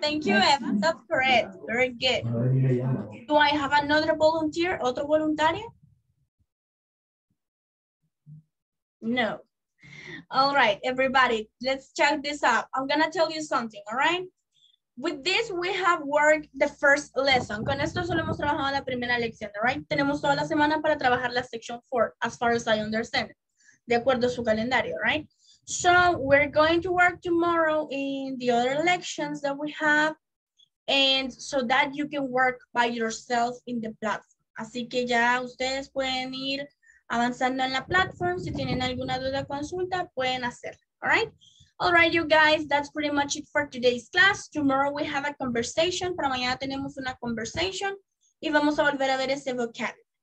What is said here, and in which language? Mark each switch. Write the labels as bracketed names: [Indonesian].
[English] Thank you, Eva, that's correct, very good. Do I have another volunteer, [Spanish] otro voluntario? [English] No. All right, everybody, let's check this out. I'm gonna tell you something, all right? With this, we have worked the first lesson. [Spanish] Con esto solo hemos trabajado la primera lección, [English] all right? [Spanish] Tenemos toda la semana para trabajar la section 4, [English] as far as I understand, [Spanish] de acuerdo a su calendario, right? [English] So we're going to work tomorrow in the other lections that we have, and so that you can work by yourself in the platform. [Spanish] Así que ya ustedes pueden ir avanzando en la platform. Si tienen alguna duda o consulta, pueden hacerla, all right? [English] All right, you guys, that's pretty much it for today's class. Tomorrow we have a conversation. [Spanish] Para mañana tenemos una conversation y vamos a volver a ver ese vocabulary.